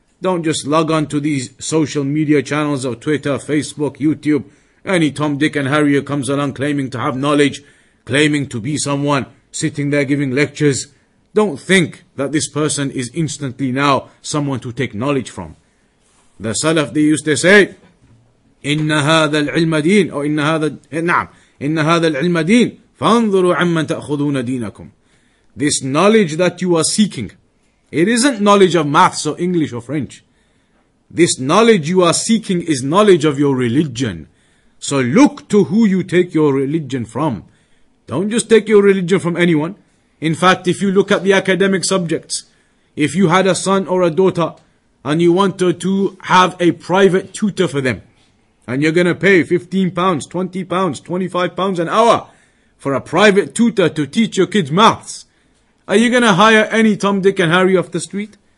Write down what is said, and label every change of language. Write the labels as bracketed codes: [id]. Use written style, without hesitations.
[en] Don't just log on to these social media channels of Twitter, Facebook, YouTube. Any Tom, Dick and Harry comes along claiming to have knowledge, claiming to be someone, sitting there giving lectures. Don't think that this person is instantly now someone to take knowledge from. The Salaf, they used to say, [ar] إِنَّ هَذَا الْعِلْمَ دِينَ أو إِنَّ هَذَا نَعْمَ إِنَّ هَذَا الْعِلْمَ دِينَ فَانْظُرُوا عَمَّنْ تَأْخُذُونَ دِينَكُمْ. [en] This knowledge that you are seeking, it isn't knowledge of maths or English or French. This knowledge you are seeking is knowledge of your religion. So look to who you take your religion from. Don't just take your religion from anyone. In fact, if you look at the academic subjects, if you had a son or a daughter and you wanted to have a private tutor for them, and you're going to pay £15, £20, £25 an hour for a private tutor to teach your kids maths, are you going to hire any Tom, Dick and Harry off the street?